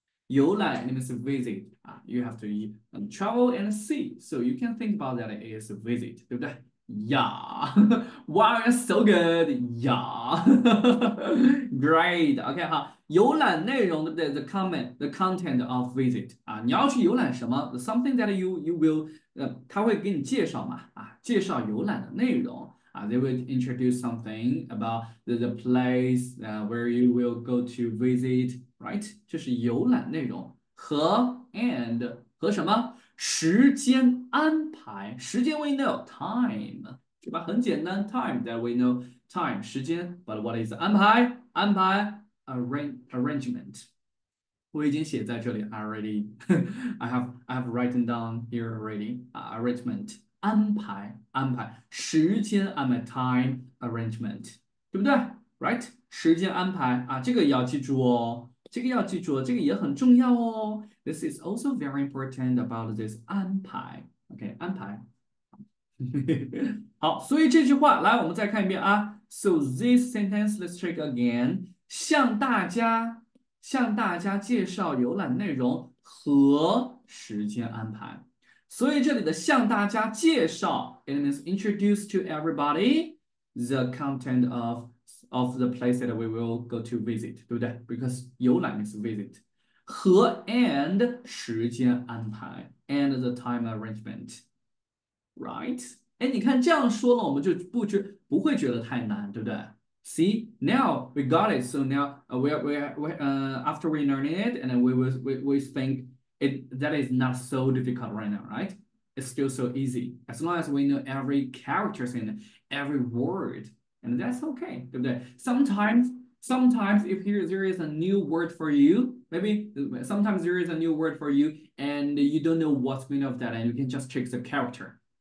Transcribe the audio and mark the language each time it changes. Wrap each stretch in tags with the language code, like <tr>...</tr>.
<en>游览 means visit 啊，you have to travel and see，so you can think about that as visit，对不对？Yeah，wow，so good，yeah，great，OK，、okay, 好，</en> <zh>游览内容对不对？</zh> <en>The comment，the content of visit 啊，</en> <zh>你要去游览什么？</zh> <en>Something that you will，</en> <zh>他会给你介绍嘛啊，介绍游览的内容。</zh> <en>They will introduce something about the place where you will go to visit, right?</en> <zh>这是游览内容和 and 和什么时间安排？</zh> <en>时间 we know time，</en> <zh>对吧？很简单，</zh> <en>time that we know time 时间。 But what is 安排？安排 arrangement。</en> <zh>我已经写在这里</zh> <en>already. I have written down here already. Arrangement。</en> <zh>安排，安排，时间安排，time arrangement，对不对？Right，时间安排啊，这个要记住哦，这个要记住，这个也很重要哦。</zh> <en>This is also very important about this 安排，OK，安排。</en> <zh>好，所以这句话，来，我们再看一遍啊。</zh> <en>So this sentence, let's check again，</en> <zh>向大家介绍浏览内容和时间安排。所以这里的向大家介绍，</zh> <en>it means introduce to everybody the content of the place that we will go to visit，</en> <zh>对不对？</zh> <en>Because 游览 means visit，和 and 时间安排，and the time arrangement，right？</en> <zh>哎，你看这样说了，我们就不会觉得太难，对不对？</zh> <en>See, now we got it. So now after we learn it, and then we think. That is not so difficult right now, right? It's still so easy. As long as we know every characters in every word, and that's okay,</en> <zh>对不对?</zh> <en>Sometimes if there is a new word for you, maybe sometimes there is a new word for you and you don't know what's meaning of that, and you can just check the character.</en>